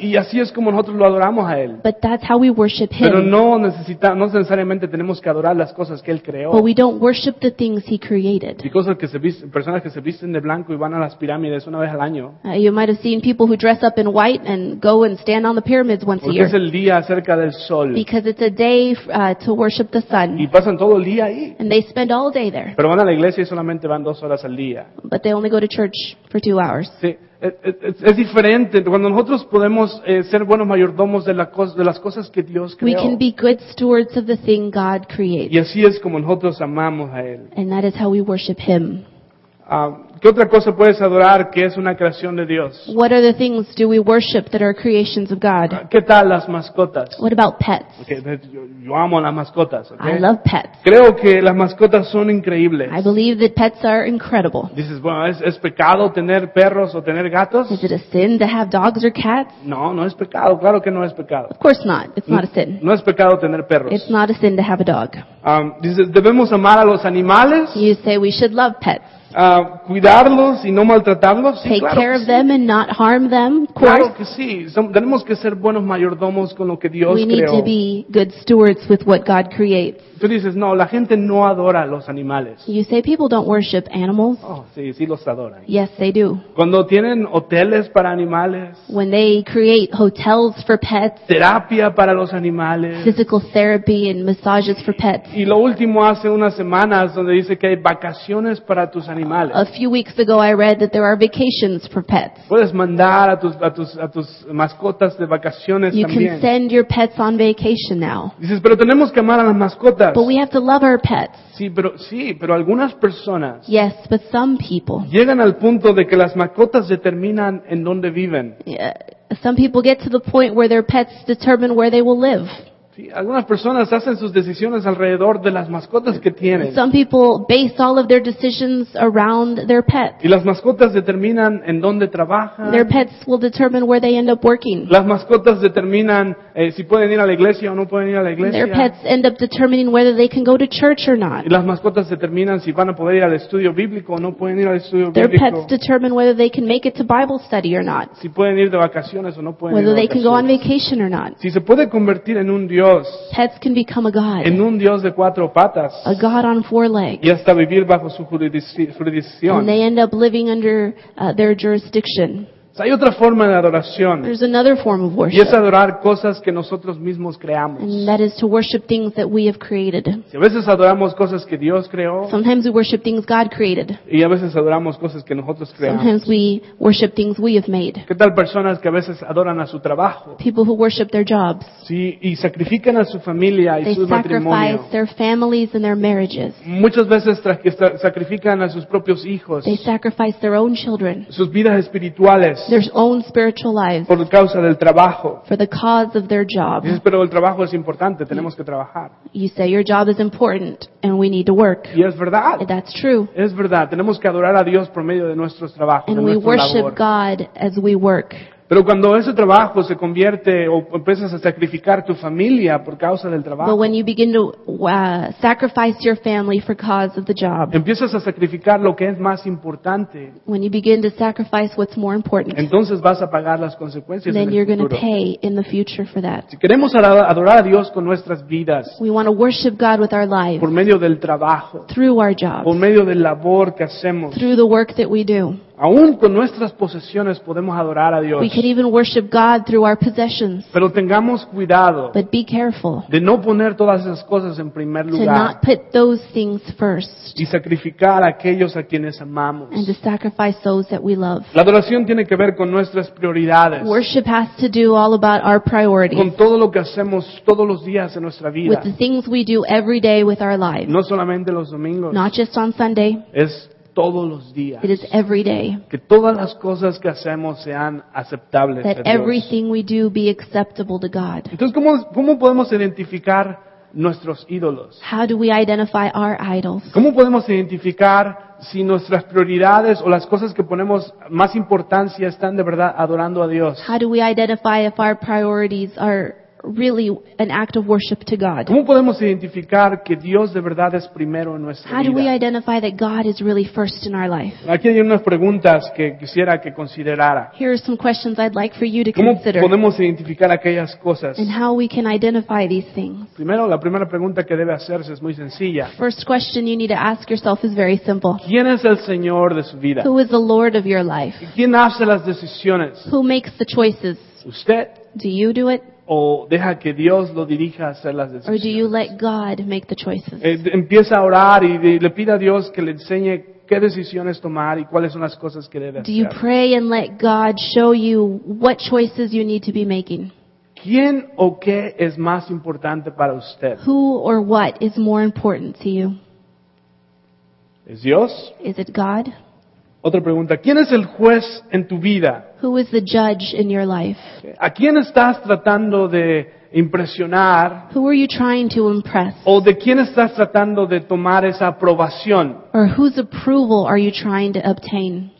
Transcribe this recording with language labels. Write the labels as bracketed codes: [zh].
[es] Y así es como nosotros lo adoramos a Él. [en] But that's how we worship Him. [es] Pero no necesariamente tenemos que adorar las cosas que Él creó. [en] But we don't worship the things He created. [es] Y cosas que se visten, personas que se visten de blanco y van a las pirámides una vez al año. [en] You might have seen people who dress up in white and go and stand on the pyramids once a year. [es] Porque es el día acerca del sol. [en] Because it's a day to worship the sun. [es] Y pasan todo el día ahí. [en] And they spend all day there. [es] Pero van a la iglesia y solamente van 2 horas al día. [en] But they only go to church for 2 hours. [es] Sí, es diferente. Cuando nosotros podemos ser buenos mayordomos de las cosas que Dios creó. [en] We can be good stewards of the thing God creates. [es] Y así es como nosotros amamos a Él. [en] And that is how we worship Him. [es] ¿Qué otra cosa puedes adorar que es una creación de Dios? [en] What are the things do we worship that are creations of God? [es] ¿Qué tal las mascotas? [en] What about pets? [es] Okay, yo amo las mascotas. Okay? [en] I love pets. [es] Creo que las mascotas son increíbles. [en] I believe that pets are incredible. [es] Dices, bueno, ¿es pecado tener perros o tener gatos? [en] Is it a sin to have dogs or cats? [es] No, no es pecado. Claro que no es pecado. [en] Of course not. It's not a sin. [es] No es pecado tener perros. [en] It's not a sin to have a dog. [es] Dices, ¿debemos amar a los animales? [en] You say we should love pets. [es] Cuidarlos y no maltratarlos. Sí, [en] take [es] claro [en] care of [es] sí. [en] them and not harm them. [es] Claro que sí. Tenemos que ser buenos mayordomos con lo que Dios creó. [en] We need [es] creó. [en] To be good stewards with what God creates. [es] Tú dices no, la gente no adora a los animales. [en] You say people don't worship animals. [es] Oh, sí, sí los adoran. [en] Yes, they do. [es] Cuando tienen hoteles para animales. [en] When they create hotels for pets. [es] Terapia para los animales. [en] Physical therapy and massages for pets. [es] Y lo último hace unas semanas donde dice que hay vacaciones para tus animales. [en] A few weeks ago I read that there are vacations for pets. [es] Puedes mandar a tus mascotas de vacaciones [en] you [es] también. [en] You can send your pets on vacation now. [es] Dices, pero tenemos que amar a las mascotas. [en] But we have to love our pets. [es] Sí, pero algunas personas. [en] Yes, but some people. [es] Llegan al punto de que las mascotas determinan en dónde viven. [en] Yeah, some people get to the point where their pets determine where they will live. [es] Sí, algunas personas hacen sus decisiones alrededor de las mascotas que tienen. [en] Some people base all of their decisions around their pets. [es] Y las mascotas determinan en dónde trabajan. [en] Their pets will determine where they end up working. [es] Las mascotas determinan si pueden ir a la iglesia o no pueden ir a la iglesia. [en] Their pets end up determining whether they can go to church or not. [es] Y las mascotas determinan si van a poder ir al estudio bíblico o no pueden ir al estudio bíblico. [en] Their pets determine whether they can make it to Bible study or not. [es] Si pueden ir de vacaciones o no pueden [en] whether [es] ir [en] they [es] vacaciones. [en] Can go on vacation or not. [es] Si se puede convertir en un Dios. [en] Pets can become a god. [es] En un Dios de cuatro patas. [en] A god on four legs. [es] Y hasta vivir bajo su jurisdicción. [en] And they end up living under their jurisdiction. [es] O sea, hay otra forma de adoración. [en] There's another form of worship. [es] Y es adorar cosas que nosotros mismos creamos. [en] And that is to worship things that we have created. [es] Si a veces adoramos cosas que Dios creó. [en] Sometimes we worship things God created. [es] Y a veces adoramos cosas que nosotros creamos. [en] Sometimes we worship things we have made. [es] ¿Qué tal personas que a veces adoran a su trabajo? [en] People who worship their jobs. [es] Sí, y sacrifican a su familia y [en] they [es] su matrimonio. [en] They sacrifice their families and their marriages. [es] Muchas veces sacrifican a sus propios hijos. [en] They sacrifice their own children. [es] Sus vidas espirituales. [en] their own spiritual lives. [es] Por causa del trabajo. [en] For the cause of their job. [es] Dices, pero el trabajo es importante, tenemos que trabajar. [en] You say your job is important and we need to work. [es] Y es verdad. [en] That's true. [es] Es verdad, tenemos que adorar a Dios por medio de nuestros trabajos, [en] and [es] de [en] we worship [es] labor. [en] God as we work. [es] Pero cuando ese trabajo se convierte o empiezas a sacrificar tu familia por causa del trabajo. [en] But when you begin to sacrifice your family for cause of the job. [es] Empiezas a sacrificar lo que es más importante. [en] When you begin to sacrifice what's more important. [es] Entonces vas a pagar las consecuencias [en] then [es] en el futuro. [en] Then you're going to pay in the future for that. [es] Si queremos adorar a Dios con nuestras vidas. [en] We want to worship God with our lives. [es] Por medio del trabajo. [en] Through our jobs. [es] Por medio del labor que hacemos. [en] Through the work that we do. [es] Aún con nuestras posesiones podemos adorar a Dios. [en] We can even worship God through our possessions. [es] Pero tengamos cuidado. [en] But be careful. [es] De no poner todas esas cosas en primer lugar. [en] To not put those things first. [es] Y sacrificar a aquellos a quienes amamos. [en] And to sacrifice those that we love. [es] La adoración tiene que ver con nuestras prioridades. [en] Worship has to do all about our priorities. [es] Con todo lo que hacemos todos los días en nuestra vida. [en] With the things we do every day with our lives. [es] No solamente los domingos. [en] Not just on Sunday. [es] Es todos los días. [en] It is every day. [es] Que todas las cosas que hacemos sean aceptables [en] that [es] a Dios. [en] Everything we do be acceptable to God. [es] Entonces, ¿cómo podemos identificar nuestros ídolos? [en] How do we identify our idols? [es] ¿Cómo podemos identificar si nuestras prioridades o las cosas que ponemos más importancia están de verdad adorando a Dios? [en] How do we identify if our priorities are really an act of worship to God? [es] ¿Cómo podemos identificar que Dios de verdad es primero en nuestra vida? [en] How do we identify that God is really first in our life? [es] Aquí hay unas preguntas que quisiera que considerara. [en] Here are some questions I'd like for you to [es] ¿cómo [en] consider. [es] ¿Cómo podemos identificar aquellas cosas? [en] And how we can identify these things. [es] Primero, la primera pregunta que debe hacerse es muy sencilla. [en] First question you need to ask yourself is very simple. [es] ¿Quién es el Señor de su vida? [en] Who is the Lord of your life? [es] ¿Quién hace las decisiones? [en] Who makes the choices? [es] ¿Usted? [en] Do you do it? [es] O deja que Dios lo dirija a hacer las decisiones. [en] Or do you let God make the choices? [es] Empieza a orar y le pide a Dios que le enseñe qué decisiones tomar y cuáles son las cosas que debe hacer. [en] Do you pray and let God show you what choices you need to be making? [es] ¿Quién o qué es más importante para usted? [en] Who or what is more important to you? [es] ¿Es Dios? [en] Is it God? [es] Otra pregunta, ¿quién es el juez en tu vida? [en] Who is the judge in your life? [es] ¿A quién estás tratando de impresionar? [en] Who are you trying to impress? [es] ¿O de quién estás tratando de tomar esa aprobación? [en] Or whose approval are you trying to obtain?